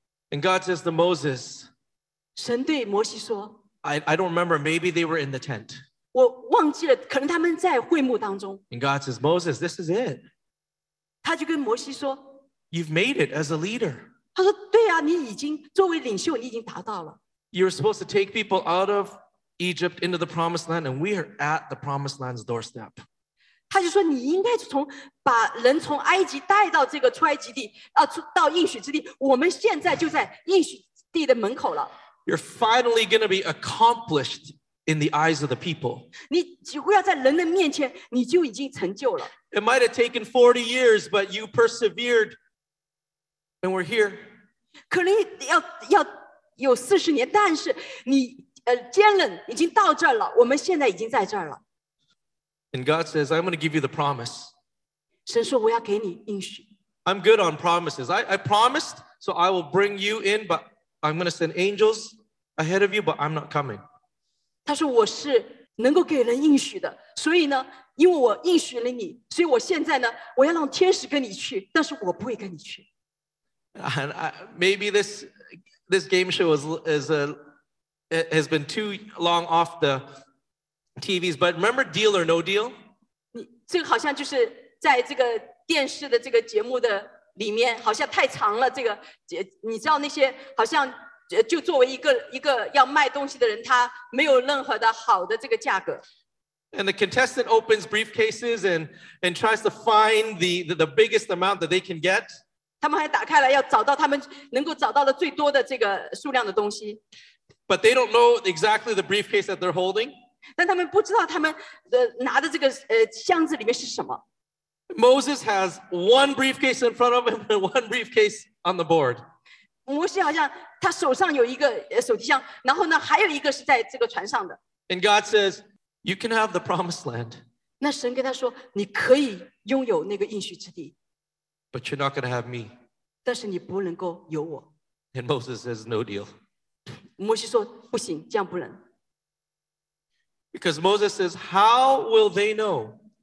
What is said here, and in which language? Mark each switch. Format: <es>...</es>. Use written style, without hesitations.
<en>And God says to Moses,</en> <zh>神对摩西说,</zh> <en>I don't remember, maybe they were in the tent.</en> <zh>我忘记了,可能他们在会幕当中。</zh> <en>And God says, Moses, this is it.</en> <zh>他就跟摩西说,</zh> <en>You've made it as a leader.</en> <zh>他说,对啊,你已经,作为领袖,你已经达到了。</zh> <en>You were supposed to take people out of Egypt into the promised land, and we are at the promised land's doorstep.</en> <zh>他就说你应该从把人从埃及带到这个出埃及地、啊、到应许之地我们现在就在应许地的门口了</zh> <en>You're finally going to be accomplished in the eyes of the people</en> <zh>你几乎要在人的面前你就已经成就了</zh> <en>It might have taken 40 years but you persevered and we're here</en> <zh>可能 要有40年但是你、坚韧已经到这儿了我们现在已经在这儿了</zh> <en>And God says, I'm going to give you the promise.</en> <zh>神说我要给你应许。</zh> <en>I'm good on promises. I promised, so I will bring you in, but I'm going to send angels ahead of you, but I'm not coming.</en> <zh>他说我是能够给人应许的。所以呢,因为我应许了你,所以我现在呢,我要让天使跟你去,但是我不会跟你去。</zh> <en>And maybe this game show has been too long off the... TVs, but remember Deal or No Deal?</en> <zh>这个好像就是在这个电视的这个节目的里面，好像太长了。这个，你知道那些好像就作为一个要卖东西的人，他没有任何的好的这个价格。</zh> <en>And the contestant opens briefcases and tries to find the biggest amount that they can get.</en> <zh>他们还打开了，要找到他们能够找到的最多的这个数量的东西。</zh> <en>But they don't know exactly the briefcase that they're holding.</en> <zh>但他们不知道他们拿的这个箱子里面是什么。</zh> <en>Moses has one briefcase in front of him and one briefcase on the board.</en> <zh>摩西好像他手上有一个手提箱，然后呢还有一个是在这个船上的。</zh> <en>And God says, "You can have the promised land."</en> <zh>那神跟他说，你可以拥有那个应许之地。</zh> <en>But you're not going to have me.</en> <zh>但是你不能够有我。</zh> <en>And Moses says, "No deal."</en> <zh>摩西说不行，这样不能。</zh> <en>Because Moses says, how will they know?</en>